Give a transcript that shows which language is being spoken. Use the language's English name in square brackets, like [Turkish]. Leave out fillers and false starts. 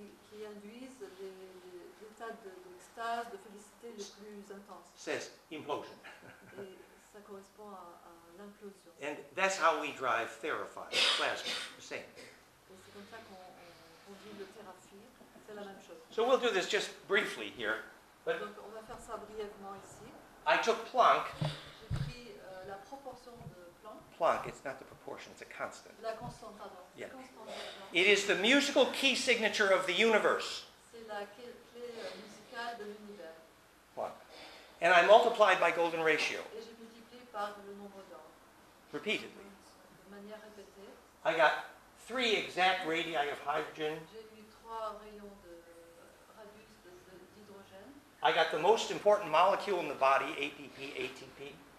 [French] Qui induisent les états d'extase, de félicité les plus intenses. [English] Says implosion. [French] Et ça correspond à l'implosion. [English] And that's how we drive theraphy, plasma, the same. [French] Et c'est comme ça qu'on conduit le theraphy, c'est la même chose. [English] So we'll do this just briefly here. But [French] donc on va faire ça brièvement ici. [English] I took Planck. [French] J'ai pris la proportion de [English] Planck, it's not the proportion, it's a constant. [French] La constante, pardon. [English] Yeah. It is the musical key signature of the universe. [French] C'est la clé musicale de l'univers. [English] Planck. And I multiplied by golden ratio. [French] Et je multiplie par le nombre d'or. [English] Repeatedly. [French] De manière répétée. [English] I got three exact radii of hydrogen. [French] J'ai eu trois rayons de radius d'hydrogène. [English] I got the most important molecule in the body, ATP, ATP.